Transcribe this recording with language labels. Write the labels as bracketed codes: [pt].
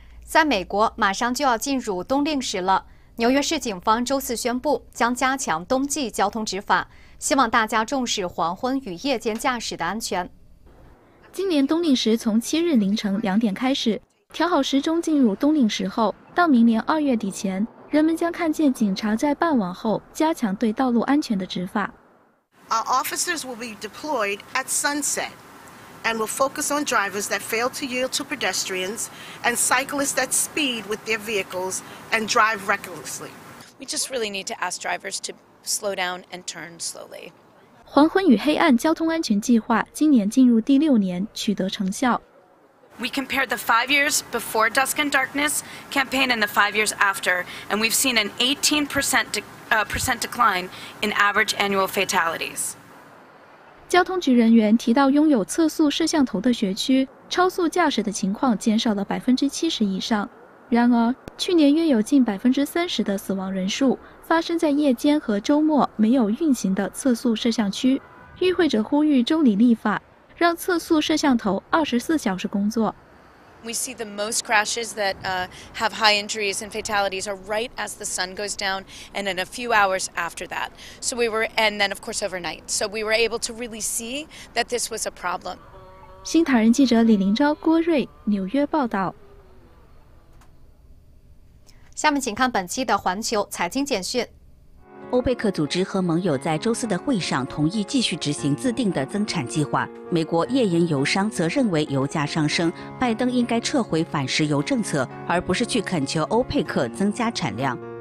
[zh] 在美国，马上就要进入冬令时了。纽约市警方周四宣布将加强冬季交通执法，希望大家重视黄昏与夜间驾驶的安全。今年冬令时从7日凌晨2点开始，调好时钟进入冬令时后，到明年2月底前，人们将看见警察在傍晚后加强对道路安全的执法。 [en] Our officers will be deployed at sunset. And will focus on drivers that fail to yield to pedestrians and cyclists that speed with their vehicles and drive recklessly. We just really need to ask drivers to slow down and turn slowly. [zh] 黄昏与黑暗交通安全计划今年进入第六年，取得成效。 [en] We compared the 5 years before Dusk and Darkness campaign and the 5 years after, and we've seen an 18% decline in average annual fatalities. [zh] 交通局人员提到，拥有测速摄像头的学区超速驾驶的情况减少了70%以上。然而，去年约有近30%的死亡人数发生在夜间和周末没有运行的测速摄像区。与会者呼吁州里立法，让测速摄像头24小时工作。 [en] We see the most crashes that have high injuries and fatalities are right as the sun goes down and in a few hours after that. So we were, and then of course overnight. So we were able to really see that this was a problem. [zh] 新唐人记者李林昭、郭瑞，纽约报道。下面请看本期的环球财经简讯。欧佩克组织和盟友在周四的会上同意继续执行自定的增产计划。美国页岩油商则认为油价上升，拜登应该撤回反石油政策，而不是去恳求欧佩克增加产量。